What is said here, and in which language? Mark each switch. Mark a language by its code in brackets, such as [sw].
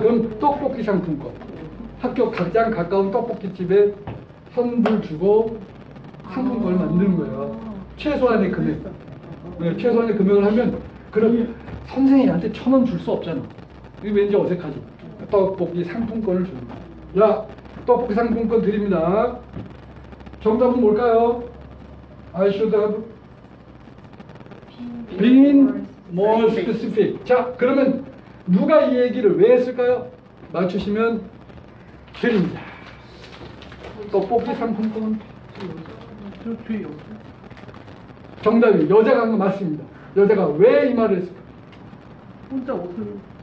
[ko] 그럼 떡볶이 상품권 학교 가장 가까운 떡볶이집에 선물 주고 상품권을 만드는 거예요. 최소한의 금액. 네, 최소한의 금액을 하면 그럼 선생님한테 1,000원 줄 수 없잖아. 이게 왠지 어색하지. 떡볶이 상품권을 줍니다. 야, 떡볶이 상품권 드립니다. 정답은 뭘까요? [en] I should have been more specific. [ko] 자, 그러면 누가 이 얘기를 왜 했을까요? 맞추시면 드립니다. 떡볶이 상품권. 정답이 여자가 한 거 맞습니다. 여자가 왜 이 말을 했을까? 혼자 옷을